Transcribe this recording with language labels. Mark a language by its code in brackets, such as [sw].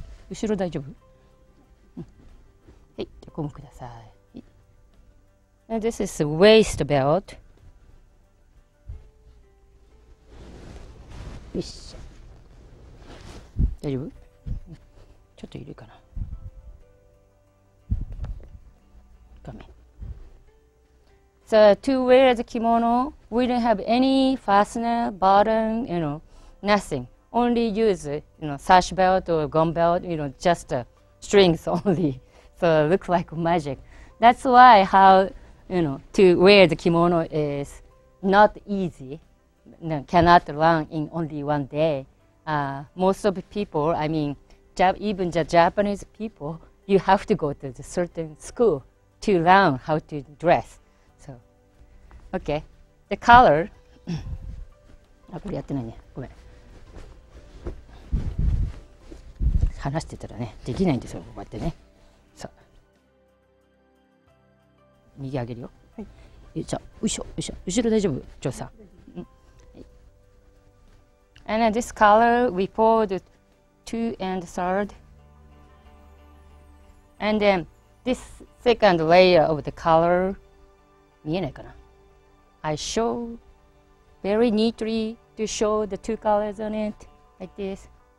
[ja] 後ろ大丈夫、はい、じゃあ、ゴムください。 [en] And this is a waist belt. [ja] よし。大丈夫、ちょっといるかな。画面。 [en] So, to wear the kimono, we don't have any fastener, button, you know, nothing. Only use, you know, sash belt or gum belt, you know, just strings only. So it looks like magic. That's why how, you know, to wear the kimono is not easy. No, cannot run in only one day. Most of the people, I mean, even the Japanese people, you have to go to the certain school to learn how to dress. So, okay. The color. [ja] あ、これやってないね。ごめん。話してたらね、できないんですよ、こうやってね。さあ、右上げるよ。はい。じゃあ、後ろ大丈夫、ジョーさん。 [en] はい。And this color, we pulled two and third. And then, this second layer of the color, [ja] 見えないかな [en] ?I show very neatly to show the two colors on it, like this.